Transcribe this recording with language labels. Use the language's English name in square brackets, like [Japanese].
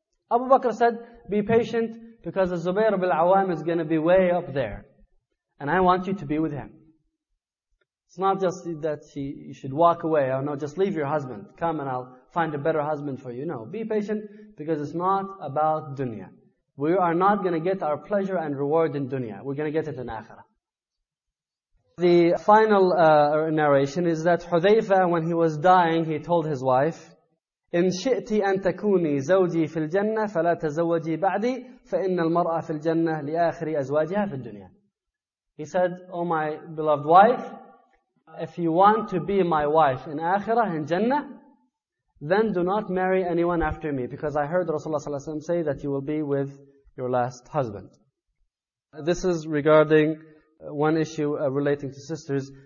[English] Abu Bakr said, be patient, because the Zubayr ibn al-Awwam is going to be way up there, and I want you to be with him. It's not just that you should walk away, or no, just leave your husband. Come and I'll find a better husband for you. No, be patient, because it's not about dunya. We are not going to get our pleasure and reward in dunya. We're going to get it in akhirah. The final narration is that Hudhayfa, when he was dying, he told his wife, [Arabic] إِن شِئْتِ أَن تَكُونِي زَوْجِي فِي الْجَنَّةِ فَلَا تَزَوَّجِي بَعْدِي فَإِنَّ الْمَرْأَ فِي الْجَنَّةِ لِآخِرِ أَزْوَاجِهَا فِي الدُّنْيَا. [English] He said, "Oh my beloved wife, if you want to be my wife in akhirah, in Jannah, then do not marry anyone after me, because I heard Rasulullah ﷺ say that you will be with your last husband." This is regarding one issue relating to sisters.